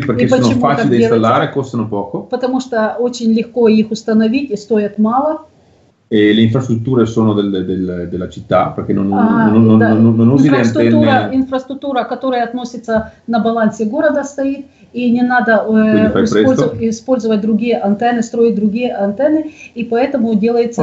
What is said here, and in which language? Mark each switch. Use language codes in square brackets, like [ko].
[it] Perché sono facili da installare, costano poco. [ru] Потому что очень легко их установить и стоят мало. [it] E le infrastrutture sono della città, perché non usi le antenne. [ru] Инфраструктура, которая относится на балансе города, стоит. И не надо использовать другие антенны, строить другие антенны, и поэтому делается